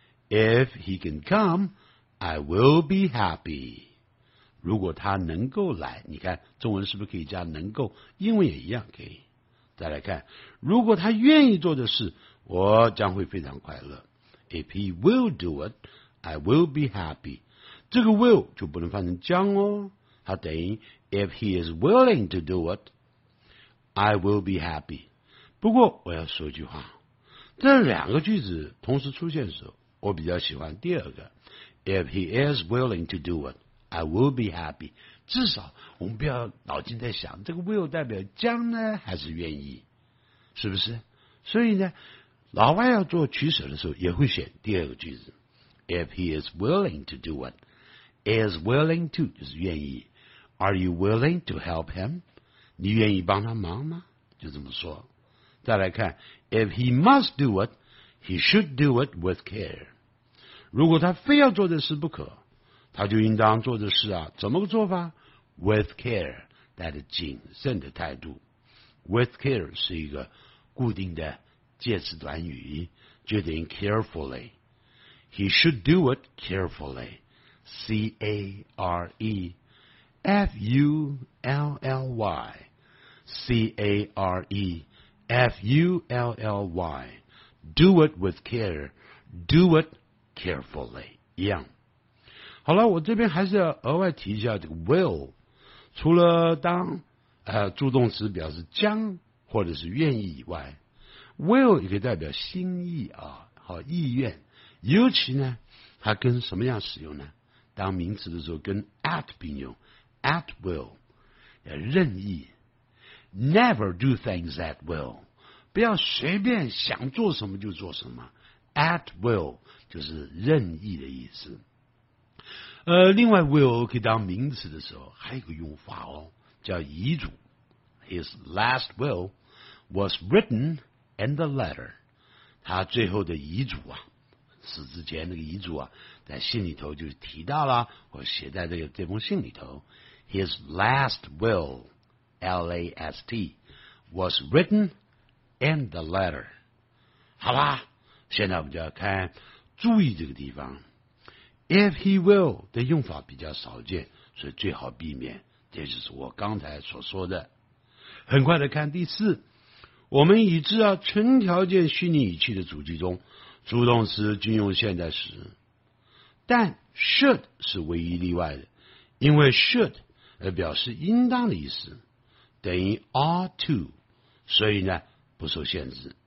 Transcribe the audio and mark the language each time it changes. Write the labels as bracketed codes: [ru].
[en] If he can come, I will be happy。 [zh] 如果他能够来，你看中文是不是可以加能够？英文也一样可以。再来看，如果他愿意做的事，我将会非常快乐。 [en] If he will do it, I will be happy。 [zh] 这个 will 就不能翻成将哦，它等于 [en] If he is willing to do it, I will be happy。 [zh] 不过我要说一句话，这两个句子同时出现的时候，我比较喜欢第二个 [en] If he is willing to do it, I will be happy。 [zh] 至少我们不要脑筋在想这个 will 代表将呢还是愿意，是不是？所以呢老外要做取舍的时候也会选第二个句子， [en] if he is willing to do it, [zh] is willing to 就是愿意， [en] are you willing to help him, [zh] 你愿意帮他忙吗，就这么说。再来看 [en] if he must do it, he should do it with care, [zh] 如果他非要做的事不可，他就应当做的事啊，怎么个做法？ With care, 带着谨慎的态度。With care 是一个固定的介词短语，决定 carefully。 [en] He should do it carefully, C-A-R-E F-U-L-L-Y C-A-R-E F-U-L-L-Y Do it with care, Do it carefully, [zh] 一样。好了，我这边还是要额外提一下这个 will， 除了当助动词表示将或者是愿意以外， will 也可以代表心意啊，好意愿。尤其呢它跟什么样使用呢？当名词的时候跟 at 并用， at will 要任意。 [en] Never do things at will， [zh] 不要随便想做什么就做什么， at will 就是任意的意思。另外 will 可以当名词的时候还有个用法哦，叫遗嘱。 [en] His last will was written in the letter， [zh] 他最后的遗嘱啊，死之前那个遗嘱啊，在信里头就提到了，或写在这个这封信里头。 [en] His last will L-A-S-T was written in the letter。 [zh] 好吧，现在我们就要看注意这个地方，If he will 的用法比较少见，所以最好避免，这就是我刚才所说的。很快的看第四，我们已知啊，纯条件虚拟语气的主句中，助动词均用现在时，但 should 是唯一例外的，因为 should 表示应当的意思，等于 ought to， 所以呢不受限制。